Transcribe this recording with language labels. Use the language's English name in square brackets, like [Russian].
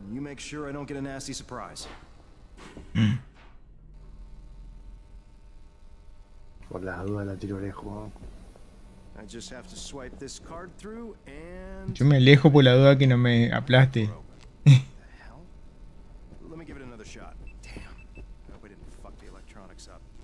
[English] You make sure I don't get a nasty surprise. [Spanish] Por la duda la tiro lejos. [English] I just have to swipe this card through and... [Spanish] Yo me alejo por la duda que no me aplaste. [English] Let me give it another shot. Damn. I hope I didn't fuck the electronics up.